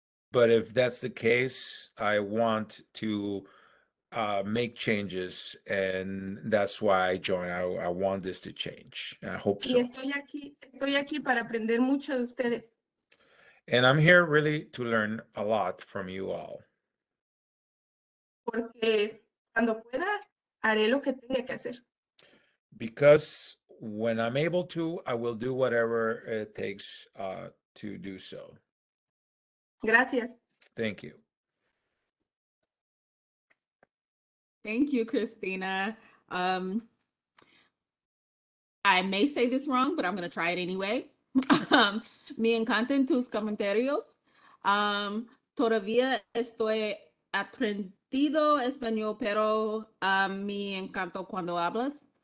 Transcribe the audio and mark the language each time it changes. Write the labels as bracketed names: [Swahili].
[English] But if that's the case, I want to make changes and that's why I joined. I want this to change. I hope so. [Spanish] Y estoy aquí para aprender mucho de ustedes. [English] And I'm here really to learn a lot from you all. [Spanish] Porque cuando pueda, haré lo que tenga que hacer. [English] Because when I'm able to, I will do whatever it takes to do so. [Spanish] Gracias. [English] Thank you. Thank you, Christina. I may say this wrong, but I'm going to try it anyway. [Spanish] Me encantan tus comentarios. Todavía estoy aprendido español, pero me encanto cuando hablas.